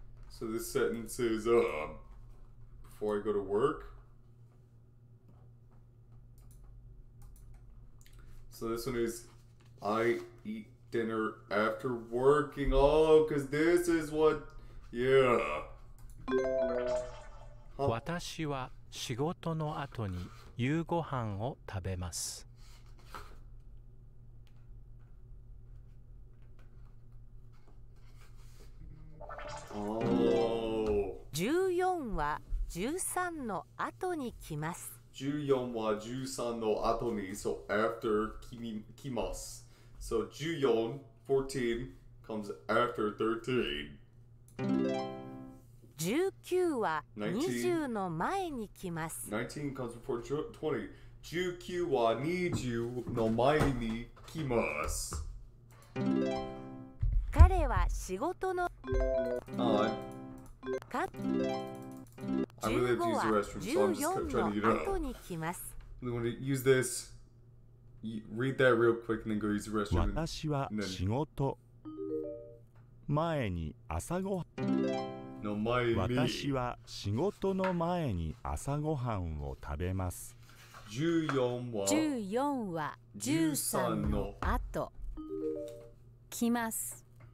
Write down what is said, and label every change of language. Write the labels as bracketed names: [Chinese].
[English] So this sentence is, before I go to work. So this one is, I eat dinner after working. Oh, because this is what, yeah. [Japanese] 私は仕事の後に夕ご飯を食べます。 14は13の後に来ます。 14は13の後に、 [English] so after [Japanese] 来ます。 [English] So 14, 14 comes after [Japanese] 13. 19は20の前に来ます。 [English] 19 comes before 20. [Japanese] 19は20の前に来ます。彼は仕事の [English] I really have to use the restroom, so I'm just trying to eat it up. I'm going to use this, read that real quick, and then go use the restroom. And then... [Japanese] 私は仕事前に朝ごはん。の前に。私は仕事の前に朝ごはんを食べます。 14は13の後、来ます。